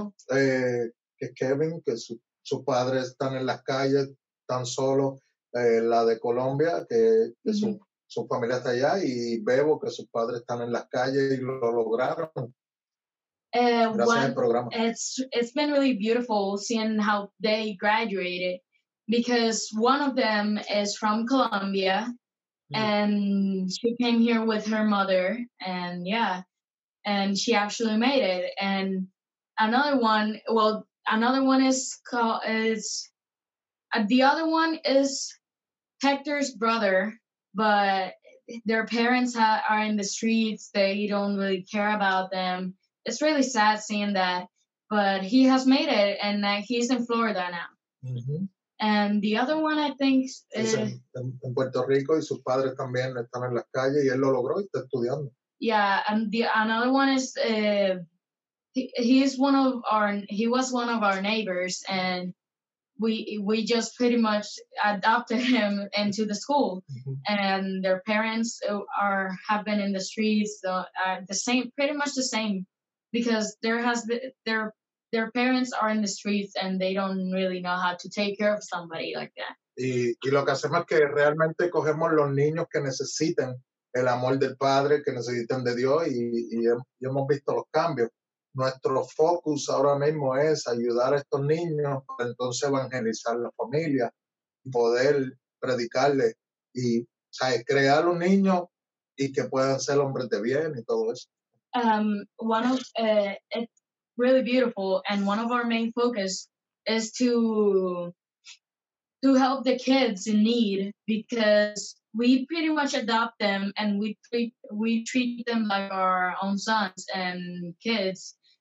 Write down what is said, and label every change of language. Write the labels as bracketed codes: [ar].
[es] Que es Kevin, que sus padres están en las calles, tan solo. La de Colombia, que mm-hmm. su familia está allá. Y Bebo, que sus padres están en las calles y lo lograron. [en] It's been really beautiful seeing how they graduated, because one of them is from Colombia. Mm-hmm. And she came here with her mother, and yeah, and she actually made it. And another one is Hector's brother, but their parents are in the streets. They don't really care about them. It's really sad seeing that. But he has made it, and he's in Florida now. Mm-hmm. And the other one, I think, is in [es] Puerto Rico, y sus padres también están en las calles, y él lo logró, y está estudiando. [en] Yeah, and another one is he was one of our neighbors, and we just pretty much adopted him into the school. Mm-hmm. And their parents have been in the streets, the same, because their parents are in the streets and they don't really know how to take care of somebody like that. [es] Y lo que hacemos es que realmente cogemos los niños que necesiten el amor del padre, que necesitan de Dios, y hemos visto los cambios. Nuestro focus ahora mismo es ayudar a estos niños para entonces evangelizar la familia, poder predicarle y, o sea, crear un niño y que puedan ser hombres de bien y todo eso. [en] It's really beautiful, and one of our main focus is to help the kids in need, because we pretty much adopt them and we treat them like our own sons and kids.